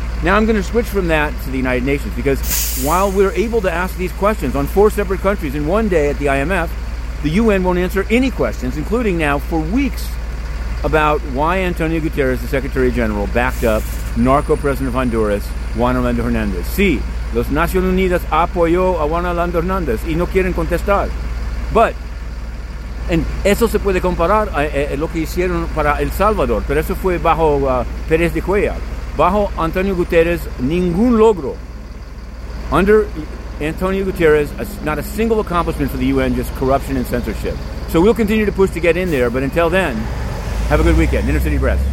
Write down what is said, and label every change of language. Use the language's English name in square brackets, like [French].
[English] Now I'm going to switch from that to the United Nations, because while we're able to ask these questions on four separate countries in one day at the IMF, the UN won't answer any questions, including now for weeks, about why Antonio Guterres, the Secretary General, backed up narco president of Honduras, Juan Orlando Hernandez. [Spanish] Sí, las Naciones Unidas apoyó a Juan Orlando Hernandez y no quieren contestar. [English] But, and [Spanish] eso se puede comparar a lo que hicieron para El Salvador, pero eso fue bajo Pérez de Cuellar. Bajo Antonio Guterres, ningún logro. [English] Under Antonio Guterres, not a single accomplishment for the UN, just corruption and censorship. So we'll continue to push to get in there, but until then, have a good weekend. Inner City Press.